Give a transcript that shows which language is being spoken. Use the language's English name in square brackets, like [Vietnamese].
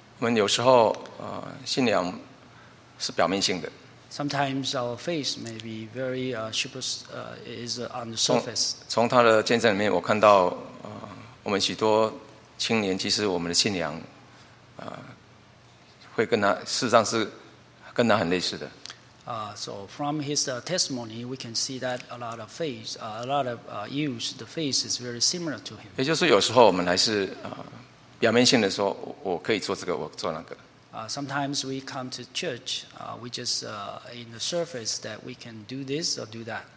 [Chinese] 我们有时候信仰是表面性的。 [English] Sometimes our faith may be very is on the surface. [Chinese] 从他的见证里面，我看到我们许多青年，其实我们的信仰会跟他事实上是跟他很类似的。 [English] So from his testimony, we can see that a lot of faith, a lot of youth, the faith is very similar to him. [Chinese] 也就是有时候我们还是表面性的说，我可以做这个，我做那个。 [English] Sometimes we come to church, we just in the surface that we can do this or do that.